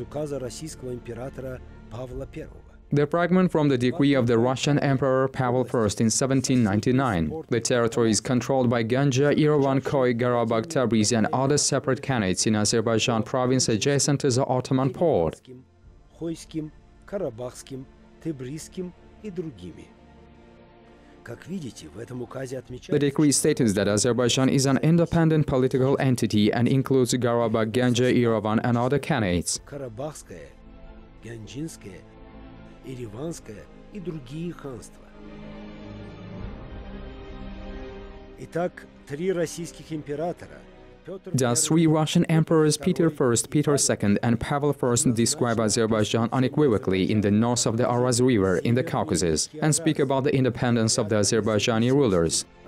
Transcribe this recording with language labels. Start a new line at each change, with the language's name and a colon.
English: The fragment from the decree of the Russian Emperor Pavel I in 1799. The territory is controlled by Ganja, Irvan, Koy, Garabag, Tabriz and other separate khanates in Azerbaijan province adjacent to the Ottoman port.
Russian: Хойским, Карабахским, Тебризским и другими.
English: The decree states that Azerbaijan is an independent political entity and includes Garabag, Ganja, Irvan and other khanates.
Russian: Карабахское, Ганджинское, Ереванское и другие ханства. Итак, три российских императора.
English: Does three Russian emperors, Peter I, Peter II, and Pavel I, describe Azerbaijan unequivocally in the north of the Aras River in the Caucasus and speak about the independence of the Azerbaijani rulers?